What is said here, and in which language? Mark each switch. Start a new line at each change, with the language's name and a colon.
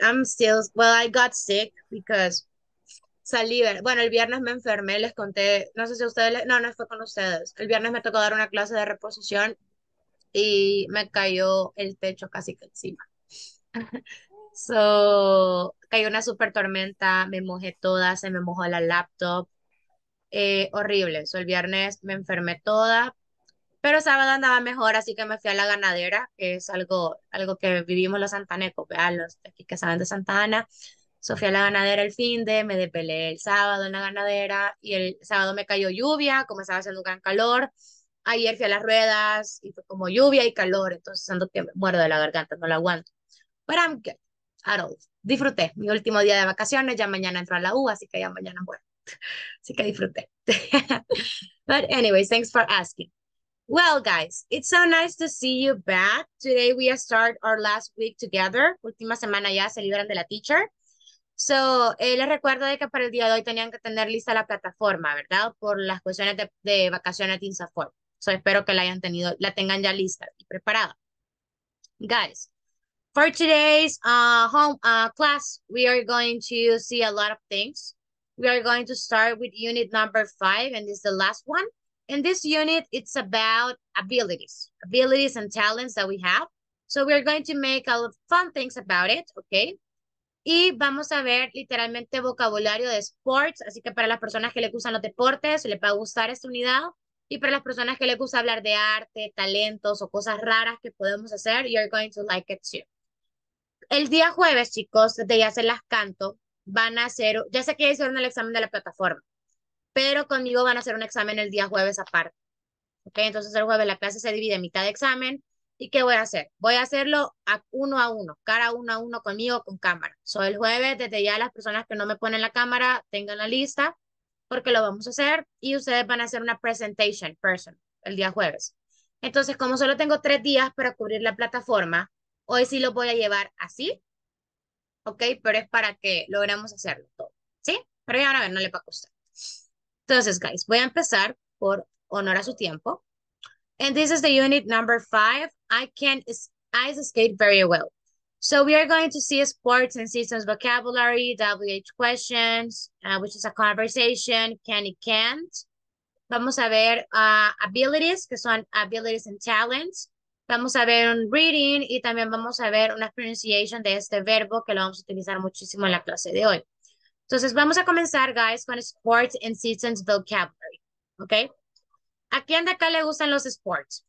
English: I'm still, well, I got sick because salí.
Spanish: Bueno, el viernes me enfermé, les conté. No sé si ustedes, no, no fue con ustedes. El viernes me tocó dar una clase de reposición y me cayó el techo casi que encima. So, cayó una super tormenta, me mojé toda, se me mojó la laptop. Horrible. So, el viernes me enfermé toda. Pero sábado andaba mejor, así que me fui a la ganadera, que es algo que vivimos los santanecos, vean los de aquí que saben de Santa Ana. So fui a la ganadera el finde, me desvelé el sábado en la ganadera y el sábado me cayó lluvia, como estaba haciendo un gran calor. Ayer fui a las ruedas y fue como lluvia y calor, entonces ando que me muero de la garganta, no la aguanto. Pero
English: I'm good, at all.
Spanish: Disfruté mi último día de vacaciones, ya mañana entro a la U, así que ya mañana muero. Así que disfruté.
English: But anyways, thanks for asking. Well, guys, it's so nice to see you back. Today we start our last week together.
Spanish: Última semana ya se libran de la teacher. So, les recuerdo de que para el día de hoy tenían que tener lista la plataforma, ¿verdad? Por las cuestiones de vacaciones de INSAFOR. So, espero que la hayan tenido, la tengan ya lista y preparada.
English: Guys, for today's home class, we are going to see a lot of things. We are going to start with unit number 5, and this is the last one. In this unit, it's about abilities and talents that we have. So we're going to make a lot of fun things about it, okay?
Spanish: Y vamos a ver literalmente vocabulario de sports. Así que para las personas que les gustan los deportes, les va a gustar esta unidad. Y para las personas que les gusta hablar de arte, talentos o cosas raras que podemos hacer,
English: you're going to like it too.
Spanish: El día jueves, chicos, desde ya se las canto, van a hacer, ya sé que hicieron el examen de la plataforma. Pero conmigo van a hacer un examen el día jueves aparte. ¿Okay? Entonces el jueves la clase se divide en mitad de examen. ¿Y qué voy a hacer? Voy a hacerlo a uno, cara a uno conmigo con cámara. So, el jueves, desde ya las personas que no me ponen la cámara, tengan la lista, porque lo vamos a hacer. Y ustedes van a hacer una presentation person el día jueves. Entonces, como solo tengo 3 días para cubrir la plataforma, hoy sí lo voy a llevar así. ¿Ok? Pero es para que logremos hacerlo todo. ¿Sí? Pero ya van a ver, no le va a costar. Entonces, guys, voy a empezar por honor a su tiempo.
English: And this is the unit number 5. I can't ice skate very well. So we are going to see sports and systems vocabulary, WH questions, which is a conversation, can y can't.
Spanish: Vamos a ver abilities, que son abilities and talents. Vamos a ver un reading y también vamos a ver una pronunciation de este verbo que lo vamos a utilizar muchísimo en la clase de hoy. Entonces, vamos a comenzar, guys, con Sports and Seasons Vocabulary. ¿Ok? ¿A quién de acá le gustan los sports?